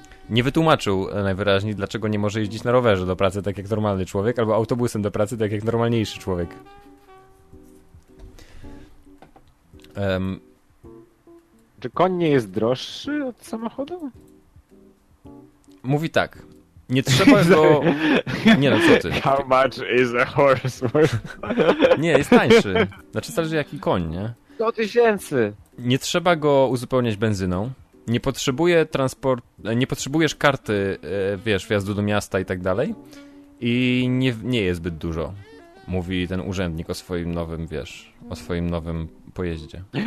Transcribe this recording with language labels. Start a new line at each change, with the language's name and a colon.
Polish: Nie wytłumaczył najwyraźniej, dlaczego nie może jeździć na rowerze do pracy tak jak normalny człowiek, albo autobusem do pracy tak jak normalniejszy człowiek. Czy koń nie jest droższy od samochodu? Mówi tak. Nie trzeba go... Nie no, co ty?
English: How much is a horse worth?
Polish: Nie, jest tańszy. Znaczy, zależy jaki koń, nie? 100 tysięcy! Nie trzeba go uzupełniać benzyną. Nie potrzebuje transport, nie potrzebujesz karty, wiesz, wjazdu do miasta i tak dalej. I nie, nie jest zbyt dużo, mówi ten urzędnik o swoim nowym, wiesz, o swoim nowym pojeździe.